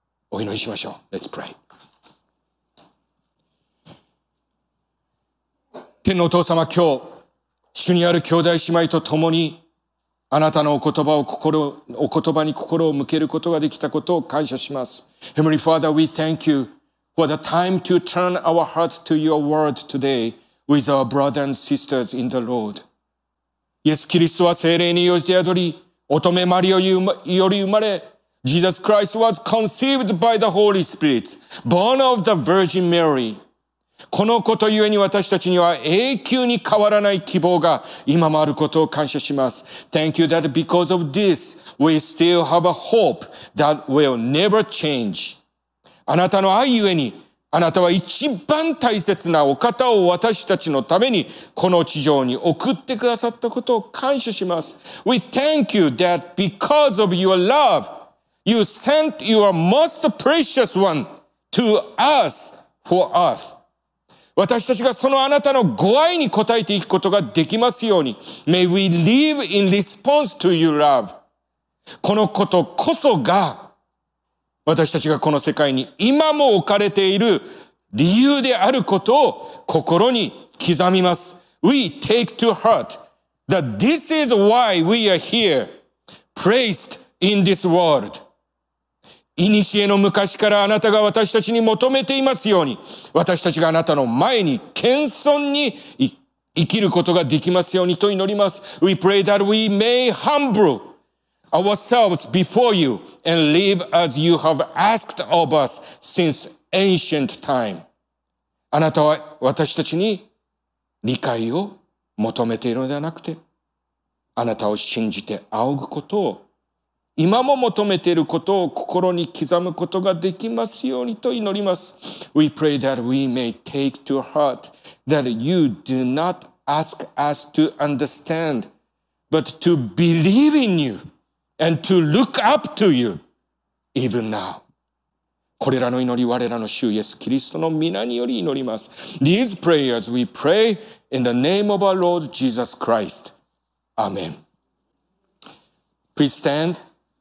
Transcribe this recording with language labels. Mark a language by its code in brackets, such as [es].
[ja] お祈りしましょう。 [en] Let's pray。 [ja] 天のお父様、今日主にある兄弟姉妹と共にあなたのお言葉に心を向けることができたことを感謝します。 [en] Heavenly Father, we thank you for the time to turn our heart to your word today with our brothers and sisters in the Lord. [ja] イエス・キリストは聖霊によって宿り、乙女マリアより生まれ、 [en] Jesus Christ was conceived by the Holy Spirit, born of the Virgin Mary. [ja] このことゆえに私たちには永久に変わらない希望が今もあることを感謝します。 [en] Thank you that because of this, we still have a hope that will never change. [ja] あなたの愛ゆえに、あなたは一番大切なお方を私たちのためにこの地上に送ってくださったことを感謝します。 [en] We thank you that because of your love, you sent your most precious one to us for us. [ja] 私たちがそのあなたのご愛に応えていくことができますように。 [en] May we live in response to your love. [ja] このことこそが私たちがこの世界に今も置かれている理由であることを心に刻みます。 [en] We take to heart that this is why we are here, placed in this world. [ja] 古の昔からあなたが私たちに求めていますように、私たちがあなたの前に謙遜に生きることができますようにと祈ります。 [en] We pray that we may humble ourselves before you and live as you have asked of us since ancient time. [ja] あなたは私たちに理解を求めているのではなくて、あなたを信じて仰ぐことを今も求めていることを心に刻むことができますようにと祈ります。 [en] We pray that we may take to heart that you do not ask us to understand, but to believe in you and to look up to you even now. [ja] これらの祈り、我らの主イエス・キリストの御名により祈ります。 [en] These prayers we pray in the name of our Lord Jesus Christ. Amen. Please stand.